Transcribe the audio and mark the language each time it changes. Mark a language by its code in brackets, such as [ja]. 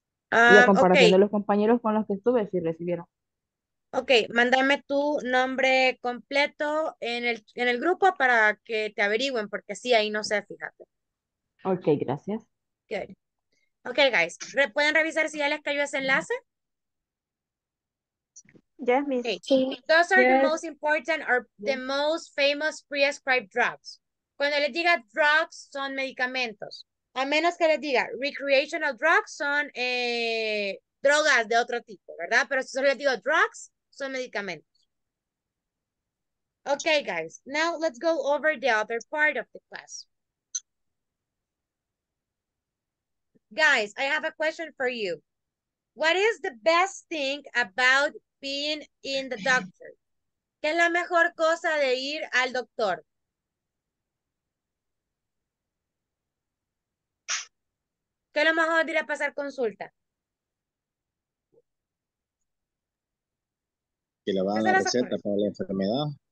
[es] Y la comparación de los compañeros con los que estuve, sí recibieron. Ok, mándame tu nombre completo en el grupo para que te averigüen, porque sí, ahí no sé, fíjate. Ok, gracias. [en] Good. [es] Ok, guys, ¿pueden revisar si ya les cayó ese enlace? [en] Yes, miss. Okay. Those are the most important or the most famous prescribed drugs. [es] Cuando les diga drugs, son medicamentos. A menos que les diga recreational drugs, son... drogas de otro tipo, ¿verdad? Pero si solo les digo drugs, son medicamentos. Okay, guys. [en] Now let's go over the other part of the class. Guys, I have a question for you. What is the best thing about being in the doctor? [es] ¿Qué es la mejor cosa de ir al doctor? ¿Qué es lo mejor de ir a pasar consulta? Que le van a la receta para la enfermedad.